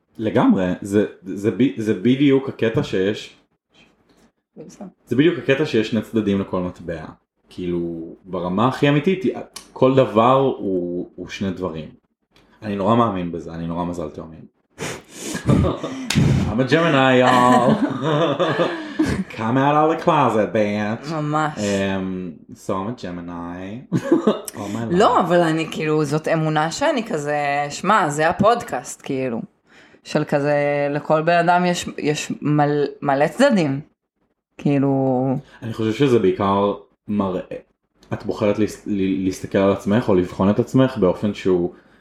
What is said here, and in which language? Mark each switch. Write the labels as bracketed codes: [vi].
[he] לגמרי. זה בדיוק הקטע שיש... זה בדיוק הקטע שיש שני צדדים לכל מטבע. כאילו, ברמה הכי אמיתית, כל דבר הוא שני דברים. אני נורא מאמין בזה, אני נורא מזל תאומים. [en] I'm a Gemini, y'all. Come out of the closet, bitch. [he] ממש. [en] So I'm a Gemini. [he] לא, אבל אני כאילו, זאת אמונה שאני כזה, שמע, זה הפודקאסט כאילו, של כזה, לכל בן אדם יש מלא צדדים. כאילו... אני חושב שזה בעיקר מראה. את בוחרת להסתכל על עצמך, או לבחון את עצמך באופן שהוא...